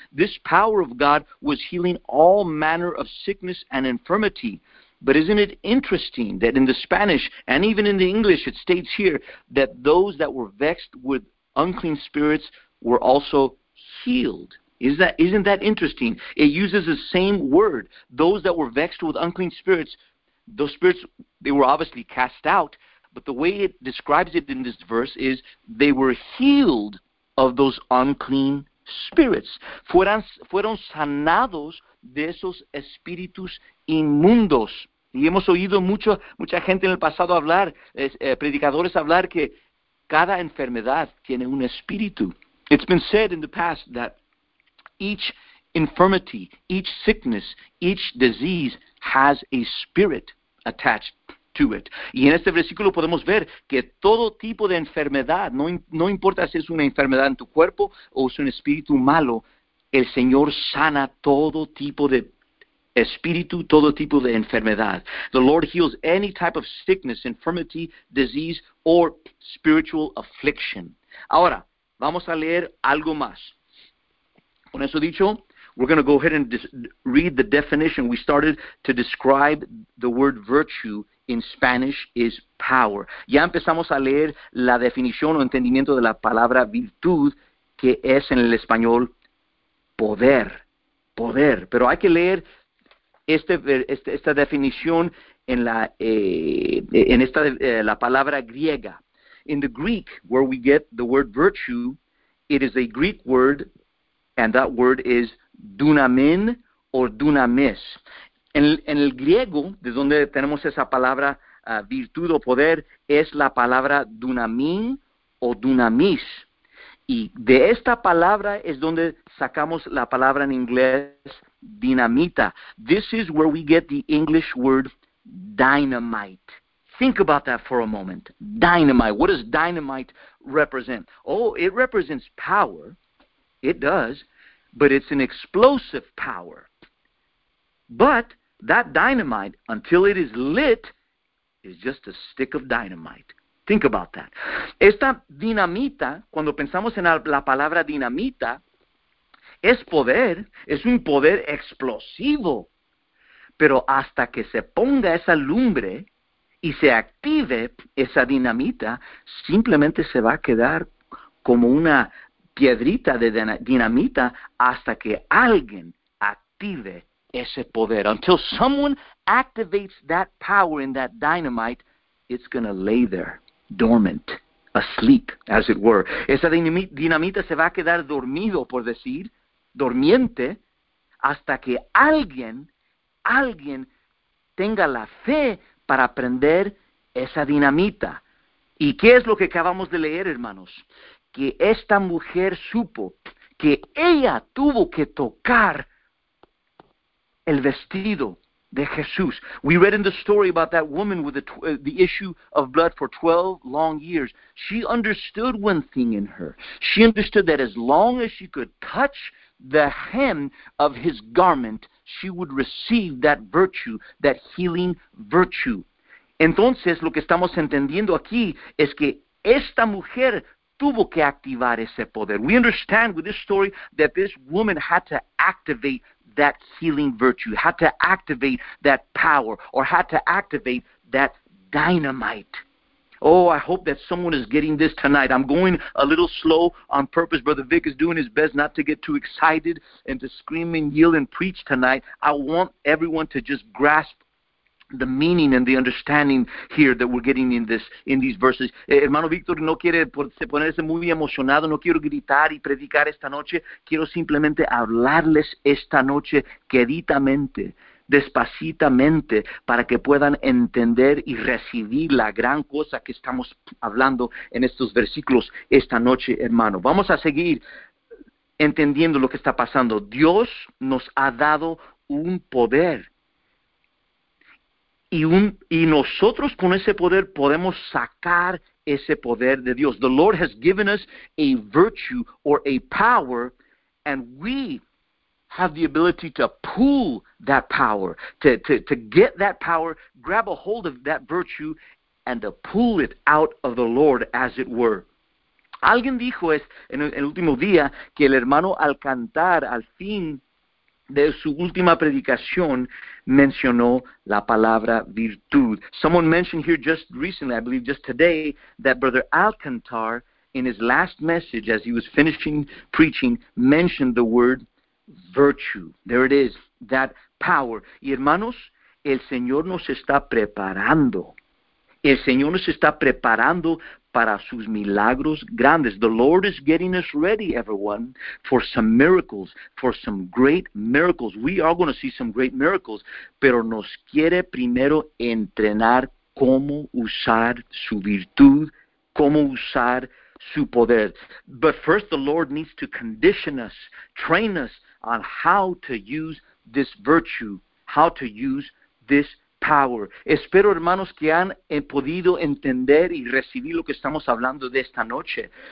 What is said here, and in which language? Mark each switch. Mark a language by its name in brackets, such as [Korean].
[English] This power of God was healing all manner of sickness and infirmity. But isn't it interesting that in the Spanish, and even in the English, it states here that those that were vexed with unclean spirits were also healed. Isn't that interesting? It uses the same word. Those that were vexed with unclean spirits, those spirits, they were obviously cast out. But the way it describes it in this verse is they were healed of those unclean spirits. [Spanish] Fueron sanados de esos espíritus inmundos. Y hemos oído mucha gente en el pasado hablar, predicadores hablar que cada enfermedad tiene un espíritu. [English] It's been said in the past that each infirmity, each sickness, each disease has a spirit attached to it. [Spanish] Y en este versículo podemos ver que todo tipo de enfermedad, no importa si es una enfermedad en tu cuerpo o es un espíritu malo, el Señor sana todo tipo de espíritu, todo tipo de enfermedad. [English] The Lord heals any type of sickness, infirmity, disease, or spiritual affliction. [Spanish] Ahora, vamos a leer algo más. Con eso dicho, [English] we're going to go ahead and read the definition. We started to describe the word virtue in Spanish is power. [Spanish] Ya empezamos a leer la definición o entendimiento de la palabra virtud, que es en el español poder, poder. Pero hay que leer esta definición en la palabra griega. [English] In the Greek, where we get the word virtue, it is a Greek word, and that word is dunamin or dunamis. [Spanish] En el griego, de donde tenemos esa palabra virtud o poder, es la palabra dunamin o dunamis. Y de esta palabra es donde sacamos la palabra en inglés dinamita. [English] This is where we get the English word dynamite. Think about that for a moment. Dynamite. What does dynamite represent? Oh, it represents power. It does. But it's an explosive power. But that dynamite, until it is lit, is just a stick of dynamite. Think about that. [Spanish] Esta dinamita, cuando pensamos en la palabra dinamita, es poder, es un poder explosivo. Pero hasta que se ponga esa lumbre y se active esa dinamita, simplemente se va a quedar como una piedrita de dinamita hasta que alguien active ese poder. [English] Until someone activates that power in that dynamite, it's going to lay there, dormant, asleep, as it were. [Spanish] Esa dinamita se va a quedar dormido, por decir, dormiente, hasta que alguien tenga la fe para prender esa dinamita. ¿Y qué es lo que acabamos de leer, hermanos? Que esta mujer supo que ella tuvo que tocar el vestido de Jesús. [English] We read in the story about that woman with the issue of blood for 12 long years. She understood one thing in her. She understood that as long as she could touch the hem of his garment, she would receive that virtue, that healing virtue. [Spanish] Entonces, lo que estamos entendiendo aquí es que esta mujer tuvo que activar ese poder. [English] We understand with this story that this woman had to activate that healing virtue, had to activate that power, or had to activate that dynamite. Oh, I hope that someone is getting this tonight. I'm going a little slow on purpose. Brother Vic is doing his best not to get too excited and to scream and yell and preach tonight. I want everyone to just grasp the meaning and the understanding here that we're getting in these verses. [Spanish] Hermano Víctor no quiere ponerse muy emocionado, no quiero gritar y predicar esta noche, quiero simplemente hablarles esta noche queditamente, despacitamente para que puedan entender y recibir la gran cosa que estamos hablando en estos versículos esta noche, hermano. Vamos a seguir entendiendo lo que está pasando. Dios nos ha dado un poder. Y nosotros con ese poder podemos sacar ese poder de Dios. [English] The Lord has given us a virtue or a power, and we have the ability to pull that power, to get that power, grab a hold of that virtue, and to pull it out of the Lord, as it were. [Spanish] Alguien dijo en el último día que el hermano al cantar al fin de su última predicación mencionó la palabra virtud. [English] Someone mentioned here just recently, I believe just today, that Brother Alcantar, in his last message as he was finishing preaching, mentioned the word virtue. There it is, that power. [Spanish] Y hermanos, el Señor nos está preparando. El Señor nos está preparando para sus milagros grandes. [English] The Lord is getting us ready, everyone, for some miracles, for some great miracles. We are going to see some great miracles, [Spanish] pero nos quiere primero entrenar cómo usar su virtud, cómo usar su poder. [English] But first, the Lord needs to condition us, train us on how to use this virtue, how to use this power. [Spanish] Espero, hermanos, que han podido entender y recibir lo que estamos hablando de esta noche.